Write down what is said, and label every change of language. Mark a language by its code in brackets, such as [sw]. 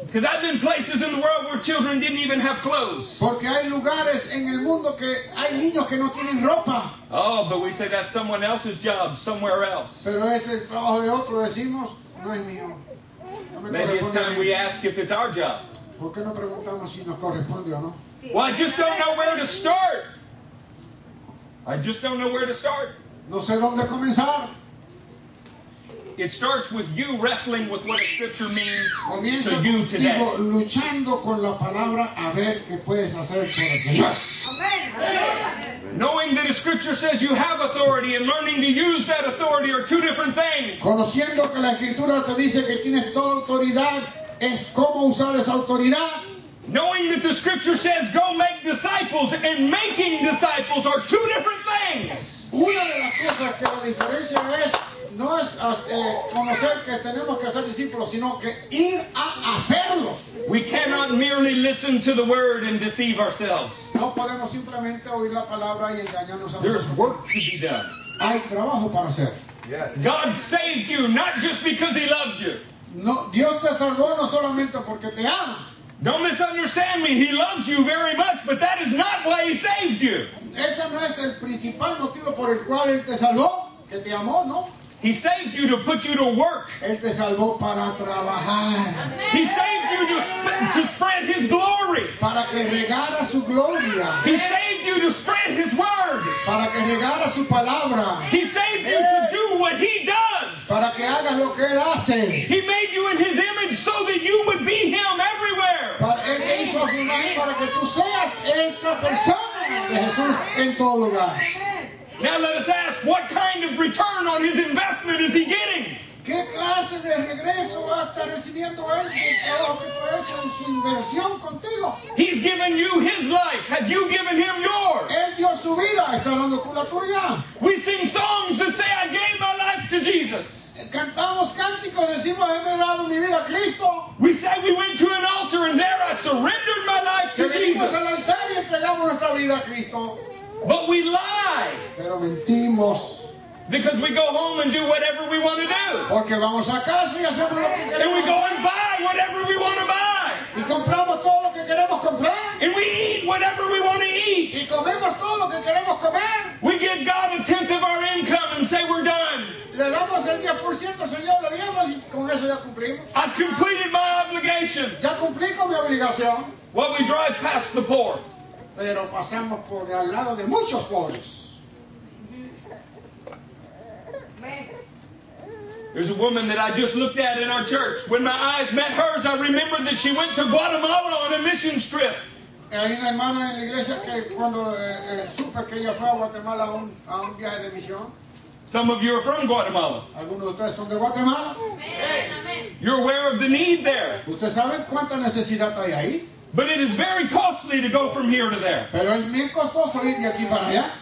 [en] Because I've been places in the world where children didn't even have clothes. [es] Porque hay lugares en el mundo que hay niños que no tienen ropa. [en] Oh, but we say that's someone else's job somewhere else. [es] Pero es el trabajo de otro, decimos, no es mío. [en] Maybe it's time we ask if it's our job. [es] ¿Por qué no preguntamos si nos corresponde o no? [en] Well, I just don't know where to start. I just don't know where to start. [es] No sé dónde comenzar. [en] It starts with you wrestling with what a scripture means [es] comienza [en] to you today. [es] Comienza contigo luchando con la palabra a ver qué puedes hacer por el Señor. [en] Knowing that a scripture says you have authority and learning to use that authority are two different things. [es] Conociendo que la escritura te dice que tienes toda autoridad. Es cómo usar esa autoridad. [en] Knowing that the scripture says go make disciples and making disciples are two different things. [es] Una de las cosas que la diferencia es no es conocer que tenemos que ser discípulos, sino que ir a hacerlos. [en] We cannot merely listen to the word and deceive ourselves. [es] No podemos simplemente oír la palabra y engañarnos a nosotros. [en] There's work to be done. [es] Hay trabajo para hacer. [en] Yes. God saved you not just because he loved you. [es] No, Dios te salvó no solamente porque te ama. [en] Don't misunderstand me. He loves you very much, but that is not why he saved you. [es] Ese no es el principal motivo por el cual él te salvó, que te amó, ¿no? [en] He saved you to put you to work. [es] Él te salvó para trabajar. [en] He saved you to spread his glory. [es] Para que regara su gloria. [en] He saved you to spread his word. [es] Para que regara su palabra. [en] He saved you to do what he does. [es] Para que haga lo que él hace. [en] He made you in his image so that you would be him everywhere. [es] Él te hizo a su imagen para que tú seas esa persona de Jesús en todo lugar. [en] Now let us ask, what kind of return on his investment is he getting? [es] ¿Qué clase de regreso va a estar recibiendo él de todo lo que tú has hecho en su inversión contigo? [en] He's given you his life. Have you given him yours? [es] Él dio su vida. ¿Está dando tú la tuya? [en] We sing songs that say, I gave my life to Jesus. [es] Cantamos cánticos, decimos, he dado mi vida a Cristo. [en] We say we went to an altar and there I surrendered my life to Jesus. [es] Que venimos al altar y entregamos nuestra vida a Cristo. [en] But we lie. [es] Pero mentimos. [en] Because we go home and do whatever we want to do. [es] Porque vamos a casa y hacemos lo que queremos. [en] And we go and buy whatever we want to buy. [es] Y compramos todo lo que queremos comprar. [en] And we eat whatever we want to eat. [es] Y comemos todo lo que queremos comer. [en] We give God a tenth of our income and say we're done. [es] Le damos el 10%, Señor, le damos y con eso ya cumplimos. [en] I've completed my obligation. [es] Ya cumplí con mi obligación. [en] Well, we drive past the poor. [es] Pero pasamos por al lado de muchos pobres. [en] There's a woman that I just looked at in our church. When my eyes met hers, I remembered that she went to Guatemala on a mission trip. [es] Hay una hermana en la iglesia que cuando supe que ella fue a Guatemala a un viaje de misión. [en] Some of you are from Guatemala. [es] ¿Algunos de ustedes son de Guatemala? [en] You're aware of the need there. [es] ¿Usted sabe cuánta necesidad hay ahí? [en] But it is very costly to go from here to there. [es] Pero es bien costoso ir de aquí para allá.